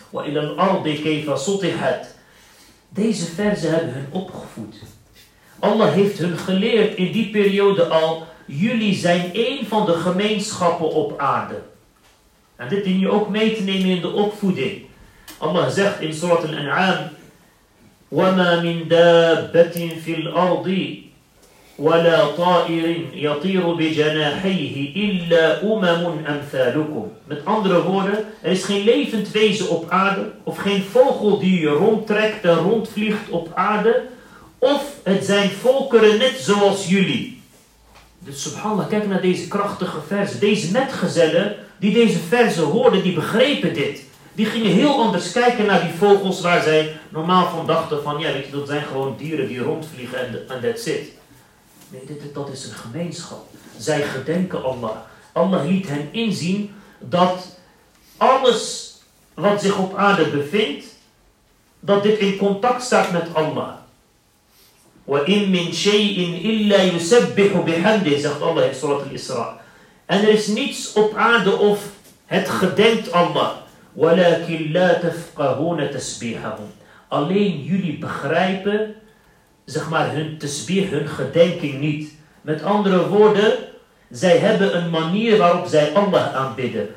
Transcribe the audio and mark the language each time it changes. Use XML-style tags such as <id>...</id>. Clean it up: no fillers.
<ar>وَإِلَى الْأَرْضِ كَيْفَ سُطِحَتْ.</ar> <nl>Deze verse hebben hun opgevoed. Allah heeft hun geleerd in die periode al, jullie zijn één van de gemeenschappen op aarde. En dit dien je ook mee te nemen in de opvoeding. Allah zegt in surat al-An'am,</nl> <ar>وَمَا مِنْ دَابَّةٍ فِي الْأَرْضِ وَلَا طَائِرٍ يَطِيرُ بِجَنَاحَيْهِ إِلَّا أُمَمٌ أَمْثَالُكُمْ.</ar> <nl>Met andere woorden, er is geen levend wezen op aarde, of geen vogel die je rondtrekt en rondvliegt op aarde, of het zijn volkeren net zoals jullie. Dus subhanallah, kijk naar deze krachtige verzen. Deze metgezellen die deze verzen hoorden, die begrepen dit. Die gingen heel anders kijken naar die vogels waar zij normaal van dachten van, ja weet je, dat zijn gewoon dieren die rondvliegen en</nl> <en>that's it.</en> <nl>Nee, dat is een gemeenschap. Zij gedenken Allah. Allah liet hen inzien dat alles wat zich op aarde bevindt, dat dit in contact staat met Allah.</nl> <ar>وَإِن مِّن شَيْءٍ إِلَّا يُسَبِّحُ بِحَمْدِهِ</ar> <nl>zegt Allah in surat al-Isra. En er is niets op aarde of het gedenkt Allah.</nl> <ar>وَلَكِنْ لَا تَفْقَهُونَ تَسْبِيحَهُمْ.</ar> <nl>Alleen jullie begrijpen, zeg maar, hun tesbih, hun gedenking niet. Met andere woorden, zij hebben een manier waarop zij Allah aanbidden.</nl>